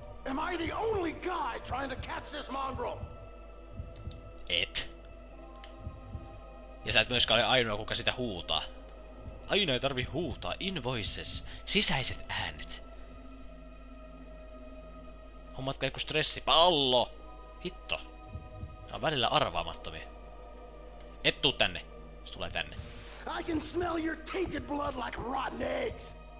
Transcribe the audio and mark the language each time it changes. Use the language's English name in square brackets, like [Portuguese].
[English] Am I the only guy trying to catch this mongrel? [Finnish] Et. Ja sä et myöskään ole ainoa, kuka sitä huutaa. Aina ei tarvi huutaa. Invoices. Sisäiset äänet. Hommatkaa joku stressipallo. Hitto. Nää on välillä arvaamattomia. Et tuu tänne. Se tulee tänne. [English] I can smell your tainted blood like rotten eggs.